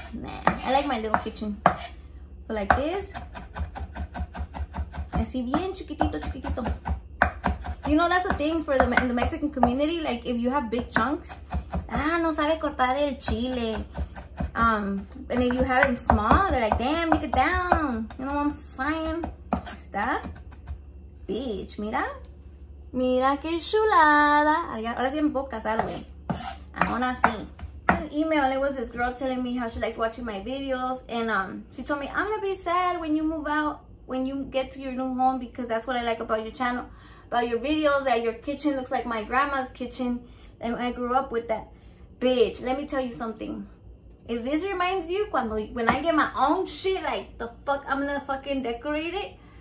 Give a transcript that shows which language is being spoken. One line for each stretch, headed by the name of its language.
English: Nah, I like my little kitchen. So like this.
Spanish: Así bien chiquitito, chiquitito.
English: You know, that's the thing for the in the Mexican community. Like, if you have big chunks,
Spanish: no sabe cortar el chile.
English: And if you have it small, they're like, damn, make it down. You know what I'm saying?
Spanish: Está.
English: Bitch,
Spanish: mira. Mira que chulada. Ahora sí me puedo casar, güey. Ahora sí.
English: email and it was this girl telling me how she likes watching my videos, and she told me, I'm gonna be sad when you move out, when you get to your new home, because that's what I like about your channel, about your videos, that your kitchen looks like my grandma's kitchen, and I grew up with that. Bitch, let me tell you something. If this reminds you, when I get my own shit, like, the fuck, I'm gonna fucking decorate it.